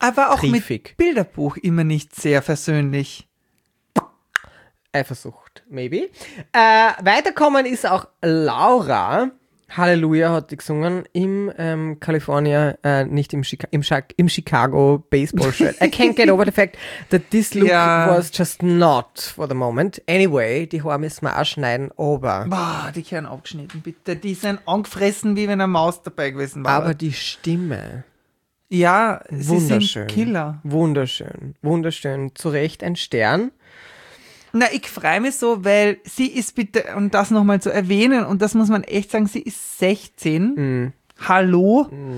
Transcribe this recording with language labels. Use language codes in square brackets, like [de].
[de] Aber auch mit Bilderbuch immer nicht sehr versöhnlich. Eifersucht, maybe. Weiterkommen ist auch Laura. Halleluja hat die gesungen im California, nicht im im Chicago Baseball Shirt. [en] I can't get over the fact that this look was just not for the moment. [de] Anyway, die Haare müssen wir auch schneiden, aber. Boah, die Kerne aufgeschnitten, bitte. Die sind angefressen, wie wenn eine Maus dabei gewesen war. Aber die Stimme. Ja, wunderschön. Sie sind Killer. Wunderschön, wunderschön. Zu Recht ein Stern. Na, ich freue mich so, weil sie ist bitte, um das nochmal zu erwähnen, und das muss man echt sagen, sie ist 16. Hallo.